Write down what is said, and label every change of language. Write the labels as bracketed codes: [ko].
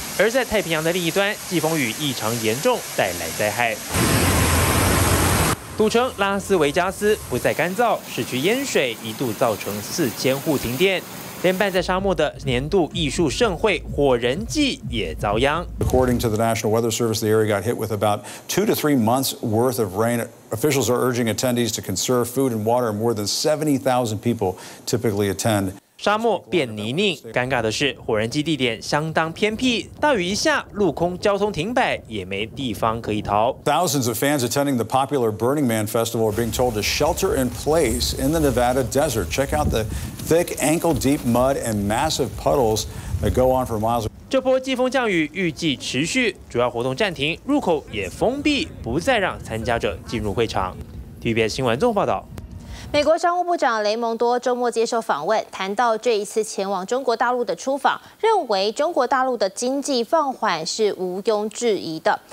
[zh] 而在太平洋的另一端，季风雨异常严重，带来灾害。赌城拉斯维加斯不再干燥，市区淹水，一度造成4000户停电。连办在沙漠的年度艺术盛会《火人祭》也遭殃。 [en] According to the National Weather Service, the area got hit with about 2 to 3 months worth of rain. Officials are urging attendees to conserve food and water. More than 70,000 people typically attend. [zh] 沙漠变泥泞，尴尬的是，火人祭地点相当偏僻，大雨一下，陆空交通停摆，也没地方可以逃。 [en] Thousands of fans attending the popular Burning Man Festival are being told to shelter in place in the Nevada desert. Check out the thick ankle-deep mud and massive puddles that go on for miles. [zh] 这波季风降雨预计持续，主要活动暂停，入口也封闭，不再让参加者进入会场。 TVBS 新闻综合报道。美国商务部长雷蒙多周末接受访问，谈到这一次前往中国大陆的出访，认为中国大陆的经济放缓是毋庸置疑的。